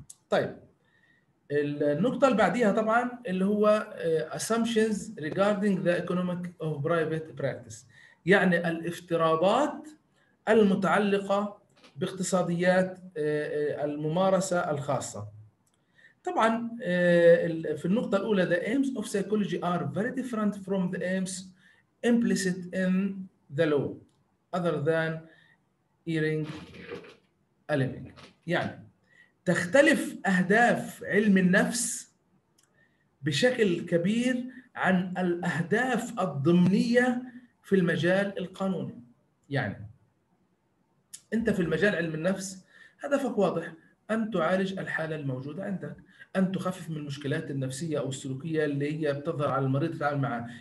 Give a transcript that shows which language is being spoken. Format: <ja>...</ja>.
<ar>طيب النقطة اللي بعديها طبعا اللي هو</ar> <en>assumptions regarding the economic of private practice،</en> <ar>يعني الافتراضات المتعلقة باقتصاديات الممارسة الخاصة. طبعا في النقطة الأولى</ar> <en>the aims of psychology are very different from the aims implicit in the law other than earning a living.</en> <ar>يعني تختلف أهداف علم النفس بشكل كبير عن الأهداف الضمنية في المجال القانوني. يعني أنت في المجال علم النفس هدفك واضح، أن تعالج الحالة الموجودة عندك، أن تخفف من المشكلات النفسية أو السلوكية اللي هي بتظهر على المريض تتعامل معه.</ar>